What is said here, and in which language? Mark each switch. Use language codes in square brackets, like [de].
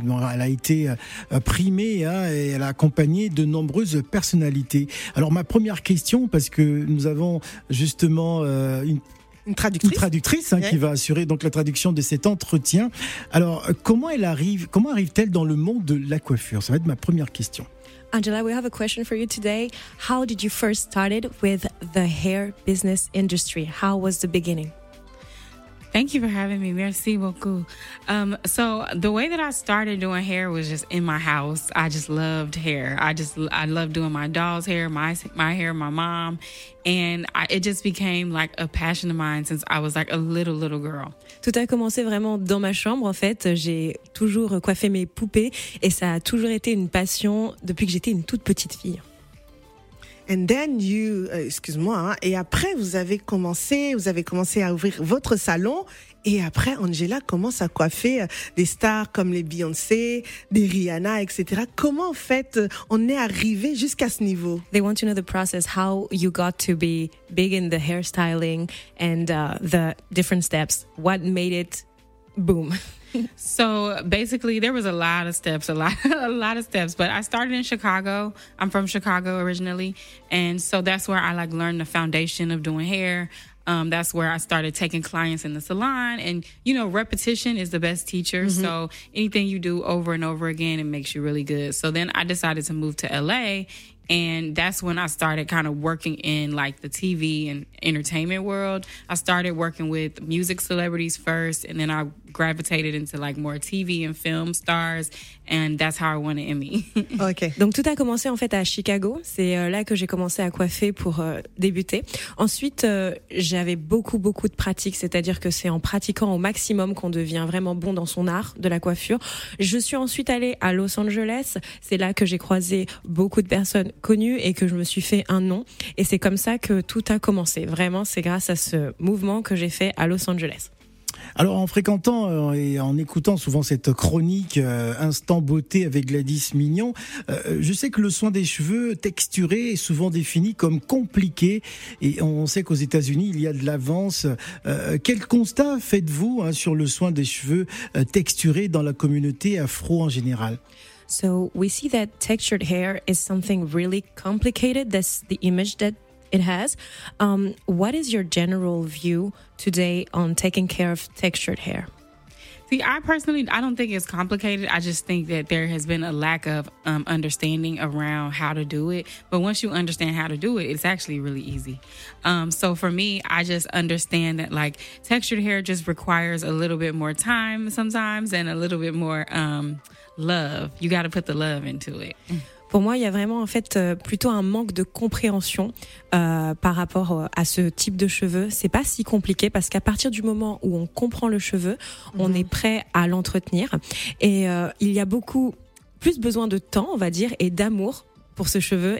[fr] Elle a été primée, hein, et elle a accompagné de nombreuses personnalités. Alors ma première question, parce que nous avons justement une traductrice hein, ouais, qui va assurer donc la traduction de cet entretien. Alors comment arrive-t-elle dans le monde de la coiffure? Ça va être ma première question. [en] Angela, we have a question for you today. How did you first started with the hair business industry? How was the beginning? Thank you for having me. [fr] Merci beaucoup. [en] So the way that I started doing hair was just in my house. I just loved hair. I loved doing my doll's hair, my hair, my mom. And it just became like a passion of mine since I was like a little girl. [fr] Tout a commencé vraiment dans ma chambre. En fait, j'ai toujours coiffé mes poupées et ça a toujours été une passion depuis que j'étais une toute petite fille. [en] And then you, [fr] excuse-moi, et après vous avez commencé à ouvrir votre salon, et après Angela commence à coiffer des stars comme les Beyoncé, des Rihanna, etc. Comment en fait on est arrivé jusqu'à ce niveau? [en] They want to know the process, how you got to be big in the hairstyling and the different steps. What made it boom? So basically, there was a lot of steps. But I started in Chicago. I'm from Chicago originally, and so that's where I like learned the foundation of doing hair. That's where I started taking clients in the salon, and you know, repetition is the best teacher. Mm-hmm. So anything you do over and over again, it makes you really good. So then I decided to move to LA, and that's when I started kind of working in like the TV and entertainment world. I started working with music celebrities first, and then I gravitated into like more TV and film stars, and that's how I won an Emmy. Okay. [fr] Donc tout a commencé en fait à Chicago. C'est là que j'ai commencé à coiffer pour débuter. Ensuite, j'avais beaucoup de pratiques, c'est-à-dire que c'est en pratiquant au maximum qu'on devient vraiment bon dans son art de la coiffure. Je suis ensuite allée à Los Angeles. C'est là que j'ai croisé beaucoup de personnes connues et que je me suis fait un nom. Et c'est comme ça que tout a commencé. Vraiment, c'est grâce à ce mouvement que j'ai fait à Los Angeles. Alors, en fréquentant et en écoutant souvent cette chronique Instant Beauté avec Gladys Mignon, je sais que le soin des cheveux texturés est souvent défini comme compliqué. Et on sait qu'aux États-Unis, il y a de l'avance. Quel constat faites-vous, hein, sur le soin des cheveux texturés dans la communauté afro en général? [en] So, we see that textured hair is something really complicated. That's the image that it has. What is your general view today on taking care of textured hair? See, I personally, I don't think it's complicated. I just think that there has been a lack of understanding around how to do it. But once you understand how to do it, it's actually really easy. So for me, I just understand that like textured hair just requires a little bit more time sometimes and a little bit more love. You got to put the love into it. [fr] Pour moi, il y a vraiment en fait plutôt un manque de compréhension par rapport à ce type de cheveux. C'est pas si compliqué parce qu'à partir du moment où on comprend le cheveu, on est prêt à l'entretenir. Et il y a beaucoup plus besoin de temps, on va dire, et d'amour pour ce cheveu.